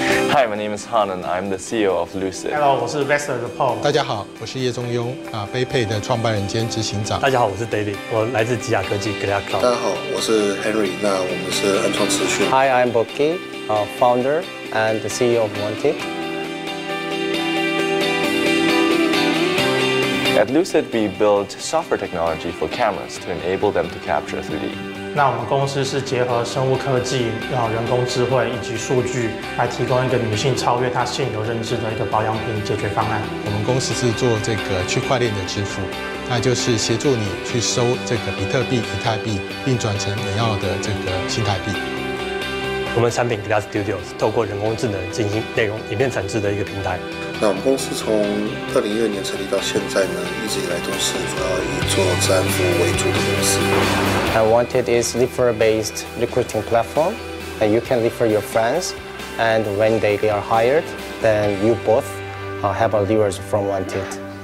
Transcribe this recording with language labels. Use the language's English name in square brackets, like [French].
[English] Hi, my name is Han and I'm the CEO of Lucid. Hello, [Chinese] 我是 Vester 的 Paul. 大家好，我是叶中庸啊，贝佩的创办人兼执行长。大家好，我是 David, 我来自吉雅科技 Glad Cloud. 大家好，我是 Henry, 那我们是安创资讯。 [English] Hi, I'm Boki, founder and the CEO of Monty. At Lucid, we build software technology for cameras to enable them to capture 3D. [Chinese] 那我们公司是结合生物科技、人工智慧以及数据来提供一个女性超越她现有认知的一个保养品解决方案。我们公司是做这个区块链的支付，那就是协助你去收这个比特币、以太币，并转成你要的这个新台币。我们产品 Glass Studios 透过人工智能进行内容影片产制的一个平台。那我们公司从2012年成立到现在呢，一直以来都是主要以做占卜为主的公司。 [English] I wanted is refer based recruiting platform, and you can refer your friends, and when they are hired, then you both have a leverage from Wanted.